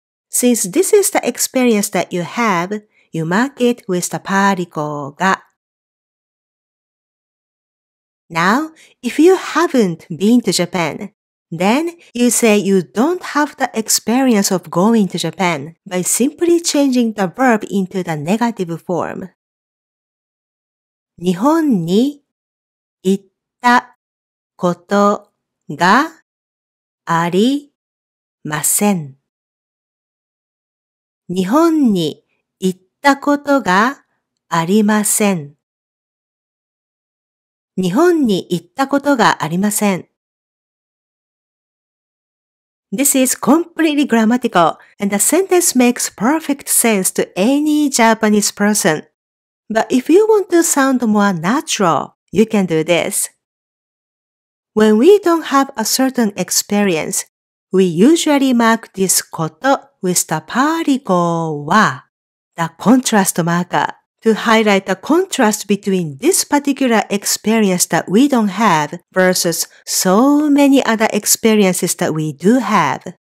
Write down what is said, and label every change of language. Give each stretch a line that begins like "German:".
English: Since this is the experience that you have, you mark it with the particle ga. Now, if you haven't been to Japan, then you say you don't have the experience of going to Japan by simply changing the verb into the negative form.
Japanese: 日本に行ったことがありません。日本に行ったことがありません。日本に行ったことがありません。
English: This is completely grammatical, and the sentence makes perfect sense to any Japanese person. But if you want to sound more natural, you can do this. When we don't have a certain experience, we usually mark this koto with the particle wa, the contrast marker, to highlight the contrast between this particular experience that we don't have versus so many other experiences that we do have.